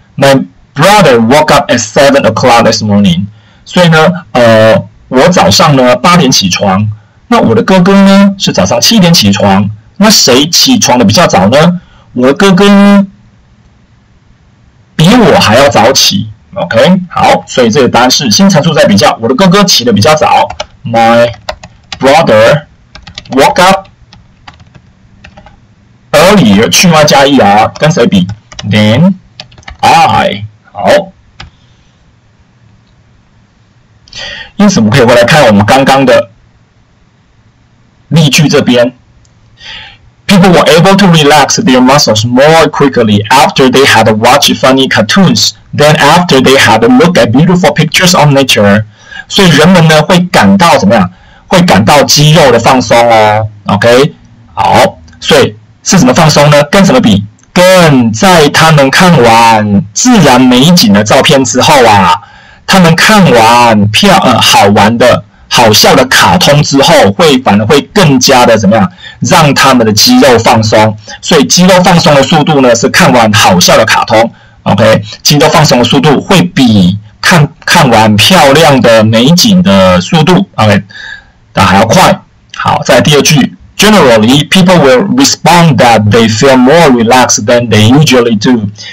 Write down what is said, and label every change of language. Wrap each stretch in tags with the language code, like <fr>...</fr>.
<en>My brother woke up at 7 o'clock this morning.</en> <zh>所以呢，我早上呢8点起床，那我的哥哥呢是早上7点起床。那谁起床的比较早呢？我的哥哥比我还要早起。 OK， 好，所以这个答案是新陈述在比较。我的哥哥起的比较早。</zh> <en>My brother woke up earlier，</en> <zh>去外加 er， 跟谁比 ？</zh> <en>Then I。</en> <zh>好，因此我们可以回来看我们刚刚的例句这边。</zh> <en>People were able to relax their muscles more quickly after they had watched funny cartoons than after they had looked at beautiful pictures of nature.</en> <zh>所以人们呢会感到怎么样？会感到肌肉的放松哦。 OK， 好，所以是什么放松呢？跟什么比？跟在他们看完自然美景的照片之后啊，他们看完好玩的。好笑的卡通之后，反而会更加的怎么样，让他们的肌肉放松。所以肌肉放松的速度呢，是看完好笑的卡通。 OK， 肌肉放松的速度会比看完漂亮的美景的速度 ，OK， 还要快。好，再来第二句</zh> <en>，Generally, people will respond that they feel more relaxed than they usually do。</en>